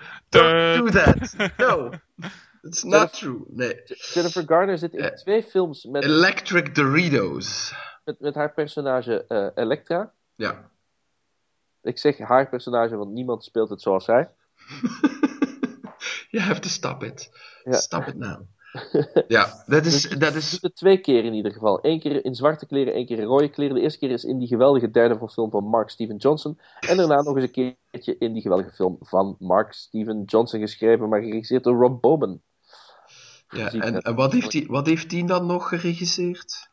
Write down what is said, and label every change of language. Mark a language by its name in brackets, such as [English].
[English] Don't do that. No. It's not Jennifer, true. [Dutch] Nee. Jennifer Garner zit in twee films met... [English] Electric Doritos. [Dutch] Met haar personage Elektra. Ja. Ik zeg haar personage, want niemand speelt het zoals zij. [English] You have to stop it. Yeah. Stop it now. [Dutch] Ja, dat is... Dat is... Twee keer in ieder geval. Eén keer in zwarte kleren, één keer in rode kleren. De eerste keer is in die geweldige derde film van Mark Steven Johnson. En daarna nog eens een keertje in die geweldige film van Mark Steven Johnson geschreven, maar geregisseerd door Rob Bowman. Ja, en wat heeft die dan nog geregisseerd?